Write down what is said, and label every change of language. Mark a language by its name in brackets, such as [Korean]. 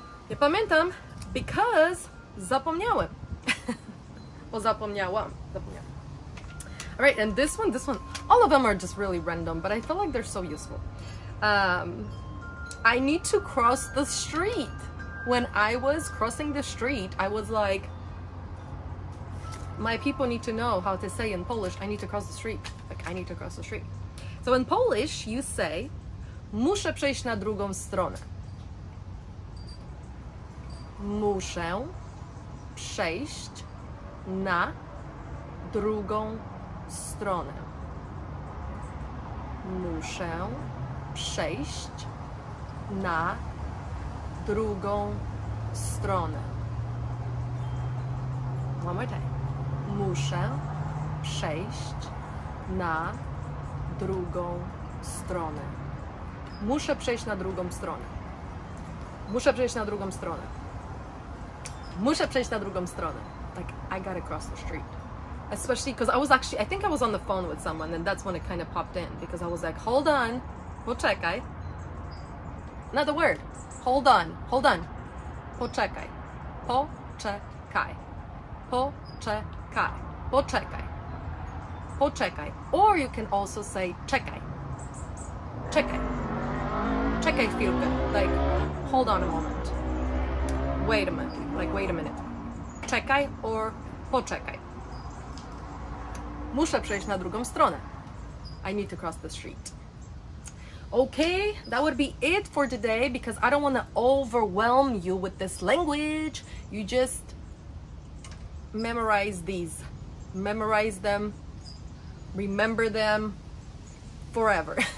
[Polish] Nie pamiętam [English] because [Polish] zapomniałem. Bo zapomniałam. [English] All right, and this one, all of them are just really random, but I feel like they're so useful. I need to cross the street. When I was crossing the street, I was like, my people need to know how to say in Polish, I need to cross the street. Like, I need to cross the street. So in Polish, you say, [Polish] muszę przejść na drugą stronę. Muszę przejść na drugą stronę. Muszę przejść na drugą stronę. One more time. Muszę przejść na drugą stronę. Muszę przejść na drugą stronę. Muszę przejść na drugą stronę. Muszę przejść na drugą stronę. [English] Like, I gotta cross the street. Especially because I think I was on the phone with someone, and that's when it kind of popped in, because I was like, hold on, [Polish] poczekaj. [English] Another word, hold on, hold on. [Polish] Poczekaj, poczekaj, poczekaj, poczekaj, poczekaj. [English] Or you can also say [Polish] czekaj, czekaj, czekaj chwilkę. [English] Like, hold on a moment, wait a minute, like, wait a minute. [Polish] Czekaj [English] or [Polish] poczekaj. Muszę przejść na drugą stronę. [English] I need to cross the street. Okay, that would be it for today because I don't want to overwhelm you with this language. You just memorize these memorize them, remember them forever.